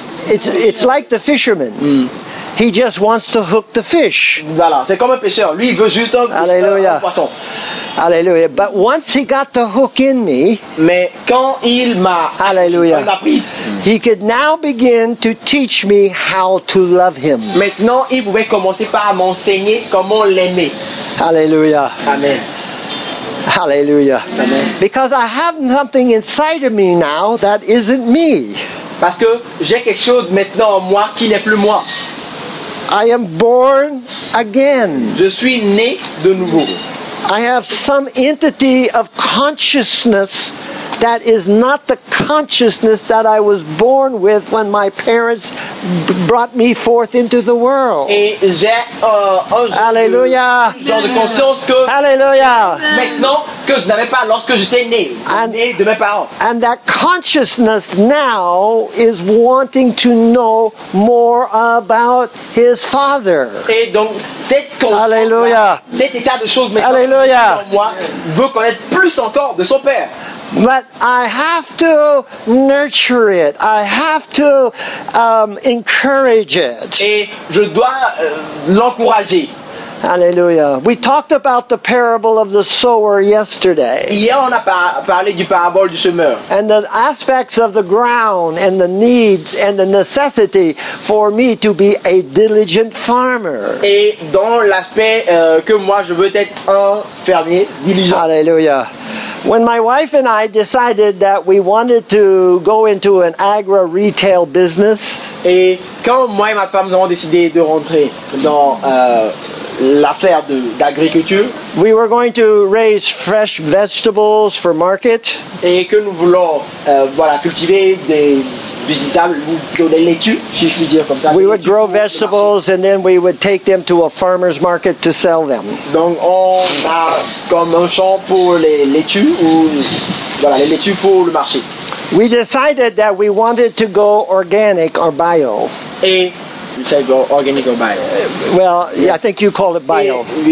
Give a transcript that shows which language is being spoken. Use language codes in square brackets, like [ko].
[en] It's like the fisherman. Mm. He just wants to hook the fish. [fr] Voilà, c'est comme un pêcheur. Lui, il veut juste un Alléluia. Poisson. Alléluia. [en] But once he got the hook in me, [fr] mais quand il m'a Alléluia. Pris, [en] he could now begin to teach me how to love him. [fr] Maintenant, il pouvait commencer par m'enseigner comment l'aimer. Alléluia. Amen. Alléluia. Amen. [en] Because I have something inside of me now that isn't me. [fr] Parce que j'ai quelque chose maintenant en moi qui n'est plus moi. [en] I am born again. [fr] Je suis né de nouveau. [en] I have some entity of consciousness that is not the consciousness that I was born with when my parents brought me forth into the world. [fr] Et j'ai [en] Hallelujah. [fr] Genre de conscience que [en] Hallelujah. [fr] Maintenant que je n'avais pas lorsque j'étais né, né de mes parents. [en] And that consciousness now is wanting to know more about his father. [fr] Et donc cette conscience, cet état de choses maintenant [en] Hallelujah. [fr] En moi veut connaître plus encore de son père. [en] But I have to nurture it. I have to encourage it. [fr] Et je dois l'encourager. [en] Hallelujah. We talked about the parable of the sower yesterday. [fr] Hier, on a parlé du parabole du semeur. [en] And the aspects of the ground and the needs and the necessity for me to be a diligent farmer. [fr] Et dans l'aspect que moi je veux être un fermier diligent. [en] Hallelujah. When my wife and I decided that we wanted to go into an agri-retail business, [fr] et quand moi et ma femme avons décidé de rentrer dans l'affaire d'agriculture, [en] we were going to raise fresh vegetables for market, [fr] et que nous voulons cultiver des végétales ou des laitues, si je puis dire comme ça. [en] We would grow vegetables and then we would take them to a farmer's market to sell them. [fr] Donc on a comme un champ pour les laitues ou les laitues pour le marché. [en] We decided that we wanted to go organic or bio. Et say organic or bio. Well, yeah, I think you call it bio.